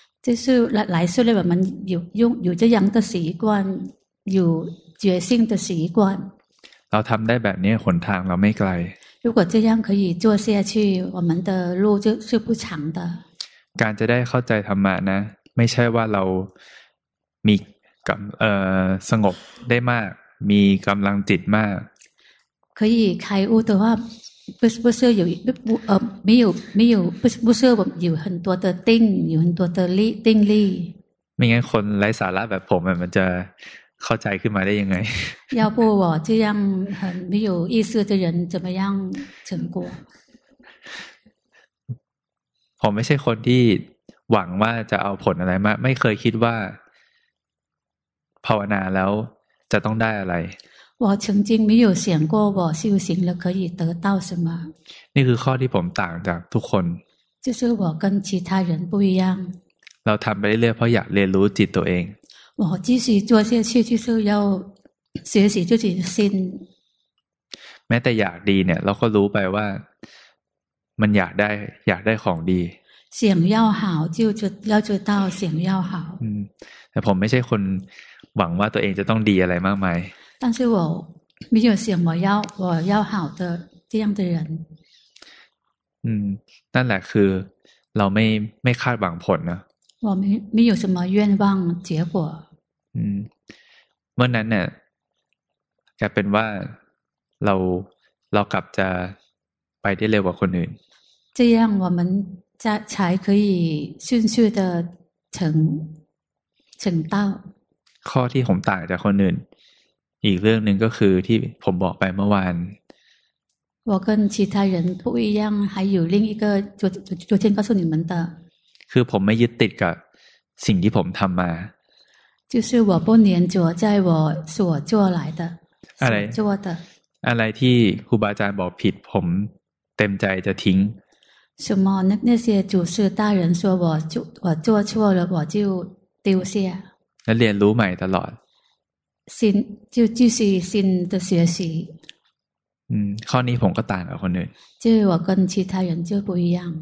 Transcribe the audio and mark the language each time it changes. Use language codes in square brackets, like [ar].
[zh] 就是来说的我们有这样的习惯有觉性的习惯 [th] เราทำได้แบบนี้หนทางเราไม่ไกล [zh] 如果这样可以做下去我们的路就是不长的 [th] การจะได้เข้าใจธรรมะนะไม่ใช่ว่าเรามีกำสงบได้มากมีกำลังจิตมาก [zh] 可以开悟的话不是有没有不是有很多的定有很多的定力 [th] ไม่งั้นคนไร้สาระแบบผมมันจะเข้าใจขึ้นมาได้ยังไง [zh] 要不我这样很没有意思的人怎么样成果 [th] ผมไม่ใช่คนที่หวังว่าจะเอาผลอะไรมาไม่เคยคิดว่าภาวนาแล้วจะต้องได้อะไร [zh] 我曾经没有想过我修行了可以得到什么 [th] นี่คือข้อที่ผมต่างจากทุกคน [zh] 就是我跟其他人不一样 [th] เราทำไปเรื่อยเพราะอยากเรียนรู้จิตตัวเอง [zh] 我继续做下去就是要学习自己的心 [th] แม้แต่อยากดีเนี่ยเราก็รู้ไปว่ามันอยากได้ของดี [zh] 想要好就要知道想要好 [th] แต่ผมไม่ใช่คนหวังว่าตัวเองจะต้องดีอะไรมากมาย [zh] 但是我没有想我要好的这样的人 [th] นั่นแหละคือเราไม่คาดหวังผลนะ [zh] 我没有什么愿望结果 [th] เมื่อนั้นเนี่ยกลายเป็นว่าเรากลับจะไปได้เร็วกว่าคนอื่น [zh] 这样我们才可以顺序的成道。 [th] ข้อที่ผมต่างจากคนอื่นอีกเรื่องหนึ่งก็คือที่ผมบอกไปเมื่อวาน [zh] 我跟其他人不一样，还有另一个昨天告诉你们的。 [th] คือผมไม่ยึดติดกับสิ่งที่ผมทำมา。 [zh] 就是我不黏着在我所做来的。 [th] อะไร [zh] 做的。 [th] อะไรที่ครูบาอาจารย์บอกผิดผมเต็มใจจะทิ้ง。 [zh] 什么那些祖师大人说我做错了我就丢下。 [th] และเรียนรู้ใหม่ตลอด。 [zh] 新就继续新的学习。 [th] ข้อนี้ผมก็ต่างกับคนอื่น [zh] 就我跟其他人就不一样